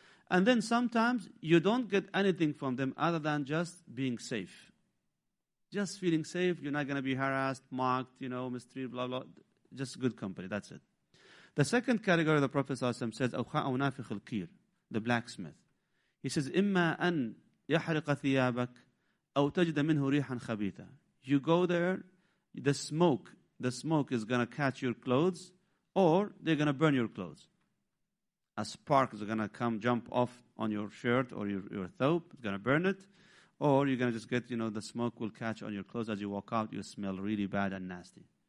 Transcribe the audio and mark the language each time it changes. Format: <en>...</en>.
<en>And then sometimes you don't get anything from them other than just being safe. Just feeling safe, you're not going to be harassed, mocked, you know, mistreated, blah, blah. Just good company, that's it. The second category the Prophet ﷺ says,</en> <ar>أَوْخَاءُ نَافِخُ الْكِيرِ,</ar> <en>the blacksmith.</en> <ar>He says, إِمَّا أَن يَحْرِقَ ثِيَابَكَ أَوْ تَجْدَ مِنْهُ رِيحًا خَبِيثًا.</ar> <en>You go there, the smoke is going to catch your clothes, or they're going to burn your clothes. A spark is going to come, jump off on your shirt or your thobe. It's going to burn it. Or you're going to just get, you know, the smoke will catch on your clothes. As you walk out, you smell really bad and nasty.</en>